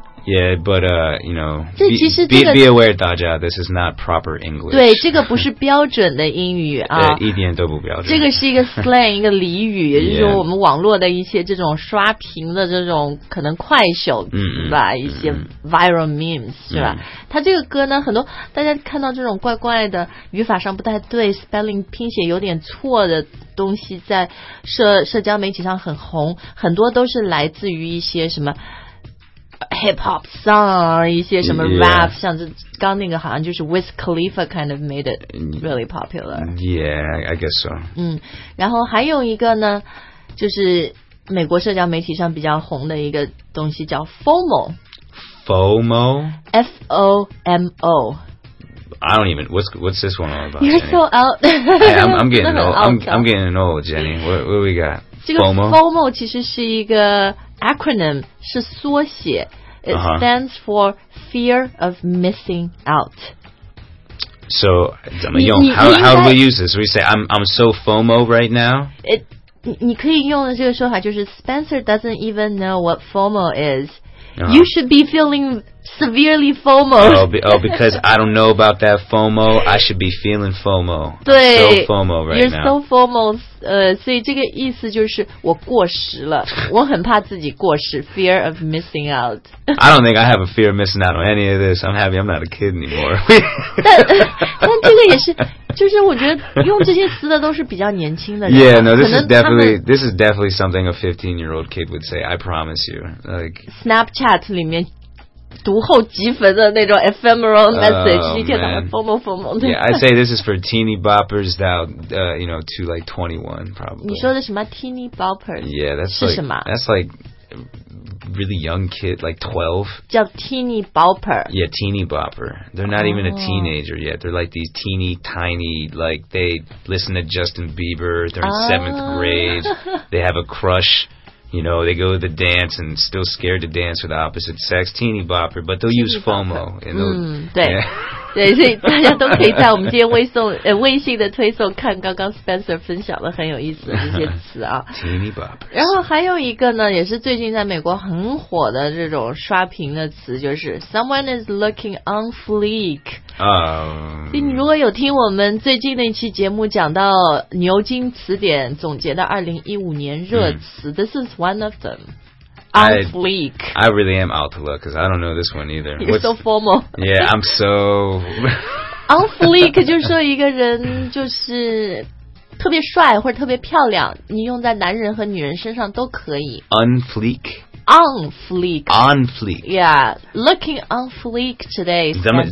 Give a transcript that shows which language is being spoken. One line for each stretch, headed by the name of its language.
English: Yeah, but, you know, be aware,
Chinese: 大家,
English: this is not proper English.
Chinese: 对,这个不是标准的英语啊。对,一点都不标准。这个是一个 slang, 一个俚语,也就是说我们网络的一些这种刷屏的这种可能快手吧,一些
English: viral memes,
Chinese: 是吧? 他这个歌呢,很多大家看到这种怪怪的语法上不太对 ,spelling 拼写有点错的东西在社交媒体上很红,很多都是来自于一些什么Hip hop song, 一些什么 rap, yeah. 像这刚那个好像就是
English: Wiz Khalifa kind of made it really popular. Yeah, I guess so.
Chinese: 然后还有一个呢，就是美国社交媒体上比较红的一个东西叫 FOMO.
English: FOMO? F-O-M-O. I don't even, what's this one all about, You're、 Jenny? So out. Hey, I'm getting old. I'm getting old, Jenny. What we got?
Chinese: FOMO? FOMO 其实是一个 acronym, 是缩写。
English: It stands for fear of missing out.
Chinese: So, 怎么用?
English: How do we use this? We say, I'm so FOMO right now.
Chinese: 你可以用的这个说法就是
English: Spencer doesn't even know what FOMO is. You should be feeling severely FOMO. Because I don't know about that FOMO, I should be feeling FOMO.
Chinese: 对
English: so FOMO right you're now. You're so FOMO.
Chinese: 所以这个意思就是我过时了，我很怕自己过时
English: fear of missing out. I don't think I have a fear of missing out on any of this. I'm happy I'm not a kid anymore.
Chinese: 但这个也是就是我觉得用这些词的都是比较年轻的人。
English: Yeah, no, this is definitely something a 15-year-old kid would say, I promise you. Like,
Chinese: Snapchat 里面读后即焚的那种
English: ephemeral message,
Chinese: 一天到晚疯疯疯疯的。
English: Yeah, I say this is for teeny boppers to like 21, probably.
Chinese: 你说的什么 teeny boppers?
English: Yeah, that's
Chinese: 是什么
English: that's like... really young kid, like 12.
Chinese: 叫 teeny bopper.
English: Yeah, teeny bopper. They're not even a teenager yet. They're like these teeny tiny, like they listen to Justin Bieber. They're in seventh grade. They have a crush. You know, they go to the dance and still scared to dance with the opposite sex. Teeny bopper. But they'll use FOMO. And they'll,
Chinese: 对、
English: yeah.
Chinese: 对，所以大家都可以在我们今天微信的推送看刚刚 Spencer 分享了很有意思的这些词啊。然后还有一个呢，也是最近在美国很火的这种刷屏的词，就是
English: someone is looking on fleek。
Chinese: 所以你如果有听我们最近那期节目讲到牛津词典总结的2015年热词、，
English: this is one of them。 I really am out to look because I don't know this one either. You're、What's, so formal. Yeah, I'm so...
Chinese: On fleek 就是说一个人就是特别帅或者特别漂亮，你用在男人和女人身上都可以。
English: On fleek? On fleek. On fleek. Yeah, looking on fleek today, Spencer.